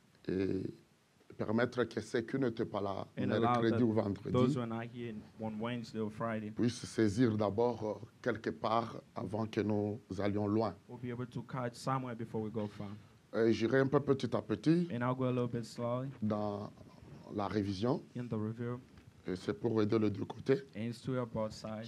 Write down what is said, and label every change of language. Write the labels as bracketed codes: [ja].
[fr] Et permettre que ceux qui n'étaient pas là, mercredi ou vendredi, [en] those who are not here on Wednesday or Friday, [fr] puissent saisir d'abord quelque part avant que nous allions loin. [en] We'll be able to catch somewhere before we go far. [fr] Et j'irai un peu petit à petit. [en] And I'll go a little bit slowly. [fr] Dans la révision. [en] In the review. [fr] Et c'est pour aider les deux côtés. [en] And it's to help both sides.